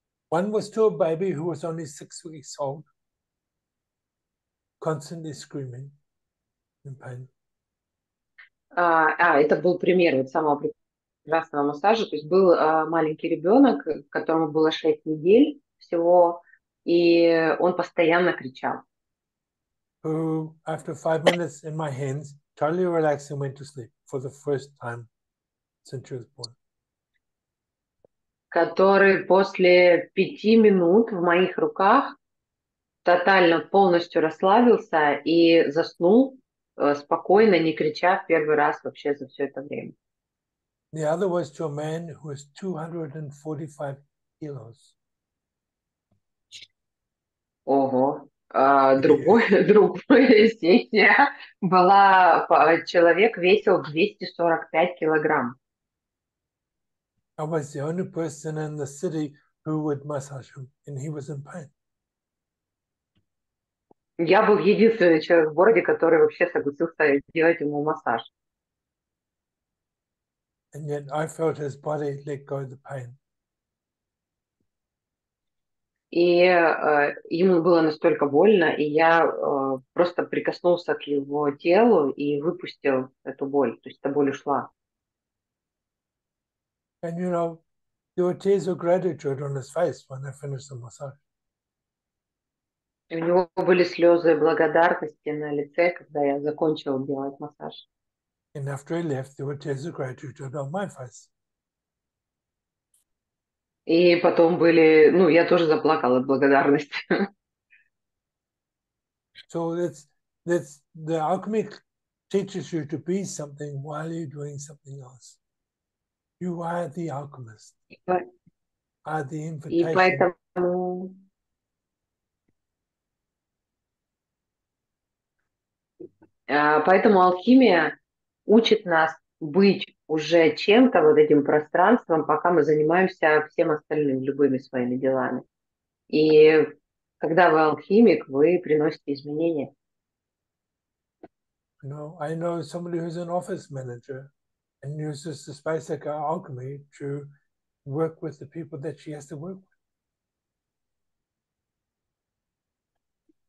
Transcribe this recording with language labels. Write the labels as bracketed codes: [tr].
[en] One was to a baby who was only 6 weeks old, constantly screaming in pain. [ru] Это был пример вот самого прекрасного массажа. То есть был маленький ребенок, которому было 6 недель. Всего, и он постоянно кричал. [en] Who, after 5 minutes in my hands, totally relaxed and went to sleep for the first time since she was born. [ru] Который после 5 минут в моих руках тотально полностью расслабился и заснул спокойно, не крича в первый раз вообще за все это время. [en] The other was to a man who was 245 kilos. [ru] Ого, другая сессия была, человек весил 245 килограмм. [en] I was the only person in the city who would massage him, and he was in pain. [ru] Я был единственный человек в городе, который вообще согласился делать ему массаж. [en] And yet I felt his body let go of the pain. [ru] Ему было настолько больно, и я просто прикоснулся к его телу и выпустил эту боль. То есть эта боль ушла. [en] And you know, there were tears of gratitude on his face when I finished the massage. [ru] У него были слезы благодарности на лице, когда я закончил делать массаж. [en] And after he left, there were tears of gratitude on my face. [ru] И потом были, ну, я тоже заплакала от благодарности. [en] So that's the alchemy teaches you to be something while you're doing something else. You are the alchemist, are the invitation. [ru] Поэтому алхимия учит нас быть уже чем-то, вот этим пространством, пока мы занимаемся всем остальным, любыми своими делами. И когда вы алхимик, вы приносите изменения. [en] No, I know somebody who's an office manager and uses the space like alchemy to work with the people that she has to work with.